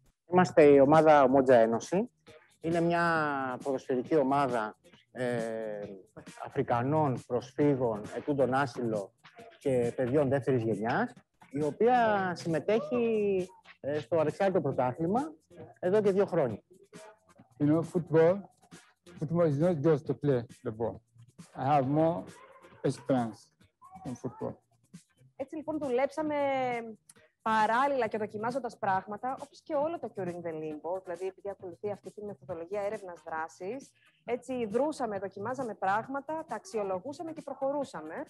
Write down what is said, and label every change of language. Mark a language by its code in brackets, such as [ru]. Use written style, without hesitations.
[el] Είμαστε η ομάδα Ομότζα Ένωση. Είναι μια ποδοσφαιρική ομάδα Αφρικανών προσφύγων, ετούντων άσυλο και παιδιών δεύτερης γενιάς, η οποία συμμετέχει στο Αρεξάνδρειο Πρωτάθλημα εδώ και 2 χρόνια. [en] You know, football is not just to play the ball. I have more experience in football. [el] Έτσι λοιπόν δουλέψαμε παράλληλα και δοκιμάζοντας πράγματα, όπως και όλο το Curing the Limbo, δηλαδή επειδή ακολουθεί αυτή τη μεθοδολογία έρευνας δράσης, έτσι δρούσαμε, δοκιμάζαμε πράγματα, τα αξιολογούσαμε και προχωρούσαμε.